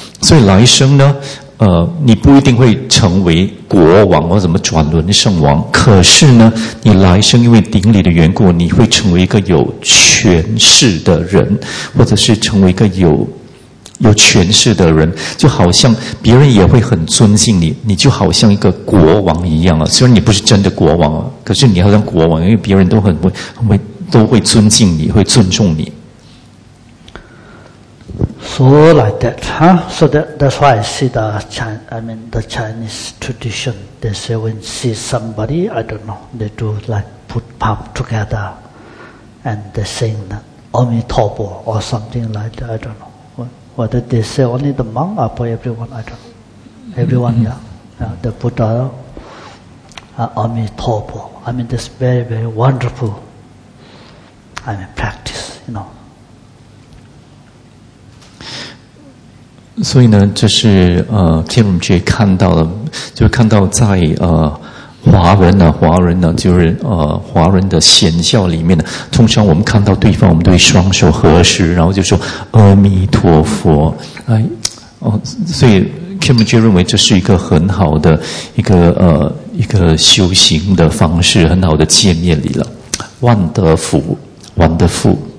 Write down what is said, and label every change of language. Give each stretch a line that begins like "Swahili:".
Chinese: 所以来生呢，你不一定会成为国王或什么转轮圣王，可是呢，你来生因为顶礼的缘故，你会成为一个有权势的人，或者是成为一个有权势的人，就好像别人也会很尊敬你，你就好像一个国王一样啊。虽然你不是真的国王啊，可是你好像国王，因为别人都都会尊敬你，会尊重你。
English: So like that, huh? So that's why I see the Chinese tradition. They say when see somebody, I don't know, they do like put palm together, and the saying that Amitabha or something like that, I don't know. Whether they say only the monk or for everyone, I don't know. Everyone, yeah. The Buddha, Amitabha. I mean, this very, very wonderful, I mean, practice, you know.
Chinese: 所以呢, 这是, 天荣觉看到的, 就看到在, 华人呢, 华人呢, 就是, 华人的显教里面呢, 通常我们看到对方, 我们对双手合十, 然后就说, 阿弥陀佛, 哎, 所以, 天荣觉认为这是一个很好的, 一个, 一个修行的方式, 很好的见面礼了,
English: wonderful, wonderful.